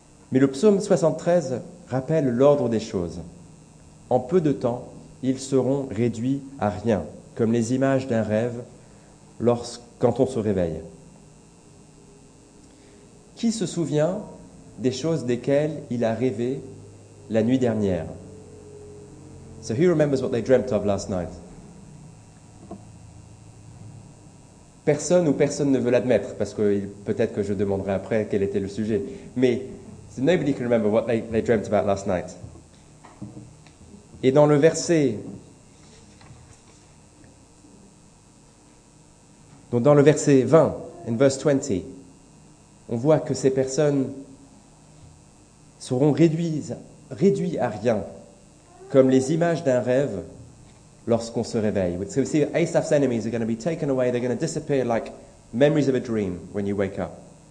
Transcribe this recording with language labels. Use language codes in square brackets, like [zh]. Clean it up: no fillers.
[fr] Mais le psaume 73 rappelle l'ordre des choses. En peu de temps, ils seront réduits à rien, comme les images d'un rêve quand on se réveille. Qui se souvient des choses desquelles il a rêvé la nuit dernière? [en] So who remembers what they dreamt of last night? [fr] Personne ou personne ne veut l'admettre, parce que peut-être que je demanderai après quel était le sujet. Mais [en] so nobody can remember what they dreamt about last night. [fr] Et dans le verset, donc dans le verset 20, [en] in verse 20, [fr] on voit que ces personnes seront réduites à rien, comme les images d'un rêve lorsqu'on se réveille. [en] So you see, Asaph's enemies are going to be taken away, they're going to disappear like memories of a dream when you wake up.